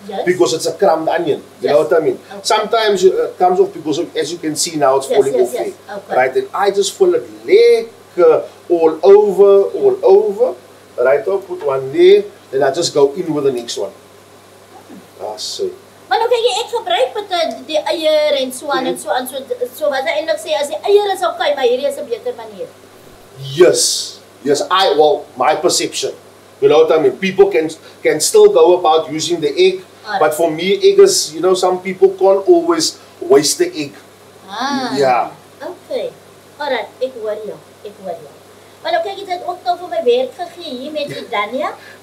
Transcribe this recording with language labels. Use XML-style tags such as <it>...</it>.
<en>Yes. Because it's a crumbed onion. You yes. Know what I mean? Okay. Sometimes it comes off because as you can see now, it's falling off. Yes. Okay. Right? And I just fill it like all over. Right? I'll put one there. Then I just go in with the next one. Ah, see.</en> <af>Maar nou kyk jy, ek gebruik met die eier en so aan en so aan, so wat hy eindelijk sê, as die eier is okay, maar hierdie is 'n beter manier.</af> <en>Yes, my perception, you know what I mean, people can still go about using the egg, ah. But for me, egg is, you know, some people can't always waste the egg. Ah, yeah.</en> <af>Okay, alright, ek hoor jou. Maar nou kyk jy, dit ook nou vir my werk gegee hier met die Dania.</af>